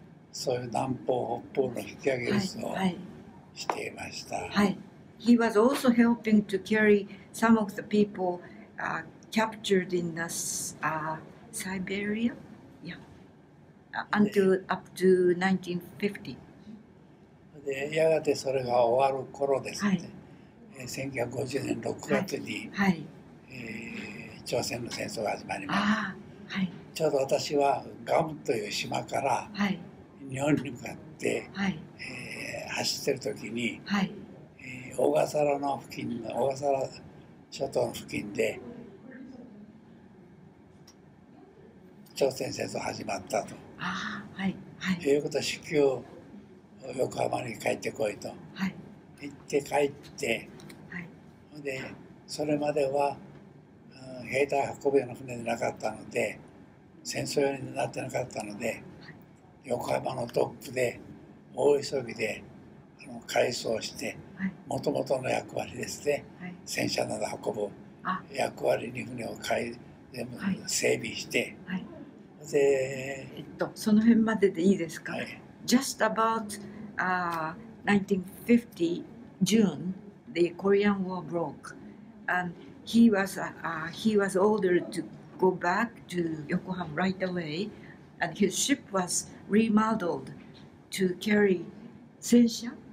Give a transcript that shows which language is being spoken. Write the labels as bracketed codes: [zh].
[ja] そういう南方北方の引き上げ輸送。はい。していました。はい。 [en] He was also helping to carry some of the people captured in the Siberia, yeah, until up to 1950. [ja] で、やがてそれが終わる頃ですね。はい。 1950年6月に、はい、朝鮮の戦争が始まりました。はい。ちょうど私はガムという島から、はい、日本に向かって、はい、走っている時に、はい、小笠原の付近の小笠原諸島の付近で朝鮮戦争始まったと。あ、はいはい、ということは至急横浜に帰ってこいと、はい、行って帰って、はい、でそれまでは、兵隊運ぶような船でなかったので、戦争用になってなかったので、はい、横浜のトップで大急ぎで改装して、もともとの役割ですね、はい、戦車など運ぶ役割に船を買い、はい、整備して、はい、でその辺まででいいですか、はい、 [en] Just about 1950 June the Korean War broke and he was ordered to go back to Yokohama right away and his ship was remodeled to carry 戦車